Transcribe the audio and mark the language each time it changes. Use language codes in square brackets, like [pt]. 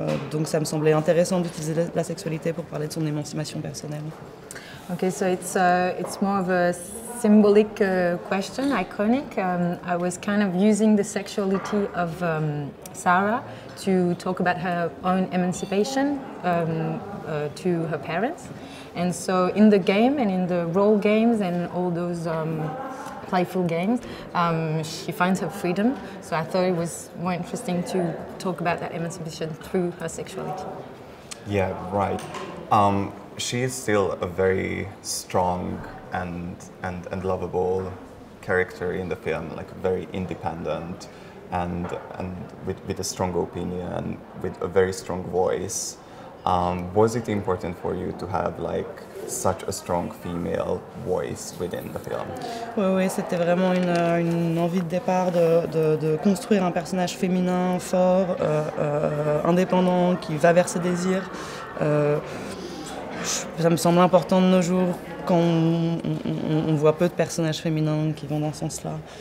[fr] Donc ça me semblait intéressant d'utiliser la sexualité pour parler de son émancipation personnelle. [en] Okay, so it's more of a symbolic question, iconic. I was kind of using the sexuality of Sarah to talk about her own emancipation to her parents. And so in the game and in the role games and all those playful games, she finds her freedom. So I thought it was more interesting to talk about that emancipation through her sexuality. Yeah, right. She is still a very strong and lovable character in the film, like very independent and with a strong opinion, with a very strong voice. Was it important for you to have like such a strong female voice within the film? [fr] Oui, oui, c'était vraiment une envie de départ de construire un personnage féminin, fort, indépendant, qui va vers ses désirs. Ça me semble important de nos jours quand on voit peu de personnages féminins qui vont dans ce sens-là.